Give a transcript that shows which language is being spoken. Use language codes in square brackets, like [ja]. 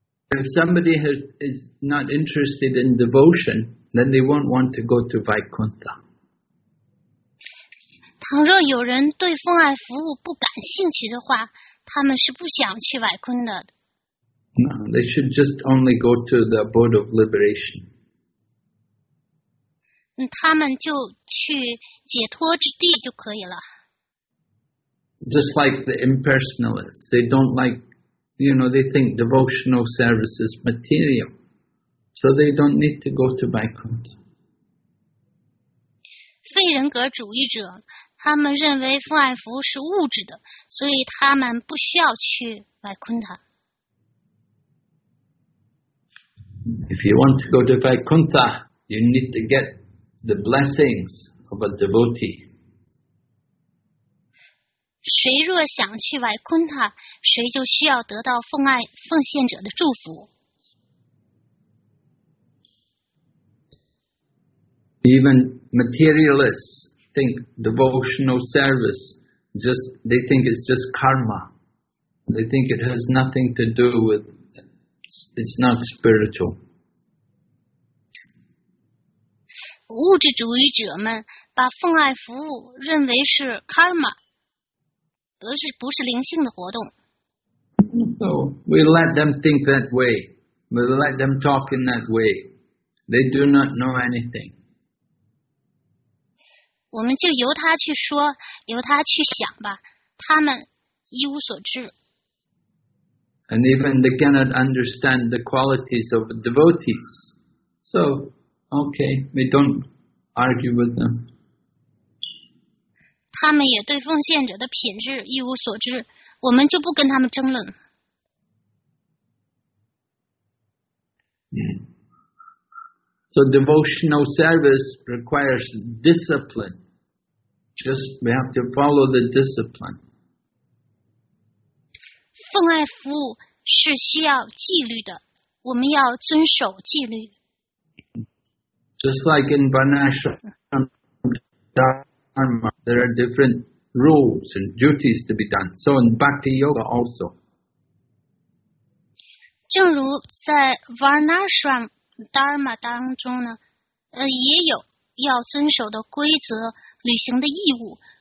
[en] If somebody is not interested in devotion, then they won't want to go to Vaikuntha. [zh] 倘若有人对奉爱服务不感兴趣的话，他们是不想去 Vaikuntha 的。 [en] No, they should just only go to the abode of liberation. [zh] 他们就去解脱之地就可以了。 [en] Just like the impersonalists, they don't like. You know, they think devotional service is material. So they don't need to go to Vaikuntha. [zh] 非人格主义者，他们认为奉爱服务是物质的，所以他们不需要去 Vaikuntha. [en] If you want to go to Vaikuntha, you need to get the blessings of a devotee. [zh] 谁若想去外昆塔，谁就需要得到奉爱奉献者的祝福。 [en] Even materialists think devotional service just they think it's just karma. They think it has nothing to do with it's not spiritual. [zh] 物质主义者们把奉爱服务认为是 karma。不是灵性的活动。 [en] So we let them think that way. We let them talk in that way. They do not know anything. [zh] 我们就由他去说，由他去想吧。他们一无所知。 [en] And even they cannot understand the qualities of the devotees. So, okay, we don't argue with them. [zh] 他们也对奉献者的品质一无所知，我们就不跟他们争论。 [en] So devotional service requires discipline. Just we have to follow the discipline. [zh] 奉爱服务是需要纪律的，我们要遵守纪律。 [en] Just like in Varnashram Dharma, there are different rules and duties to be done. So in Bhakti Yoga also. [zh] 正如在 Varnashram Dharma 当中呢，也有要遵守的规则、履行的义务。